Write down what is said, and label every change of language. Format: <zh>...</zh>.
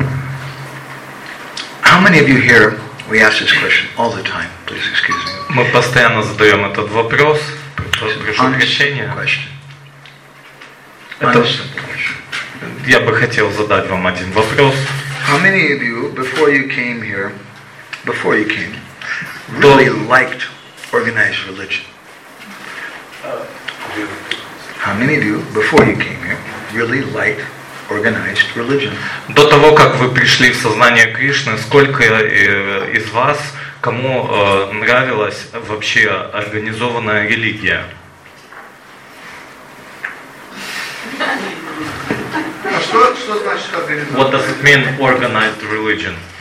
<en>How many of you here, we ask this question all the time, please excuse me.</en> <ru>Мы постоянно задаем этот вопрос. Прошу прощения.</ru> <en>Question.</en> <ru>Это... Я бы хотел задать вам один вопрос.</ru> <en>How many of you, before you came here, before you came, really liked organized religion? How many of you, before you came here, really liked organized religion?</en> <ru>До того, как вы пришли в сознание Кришны, сколько из вас, кому нравилась вообще организованная религия?</ru> <en>What does it mean, organized religion?</en>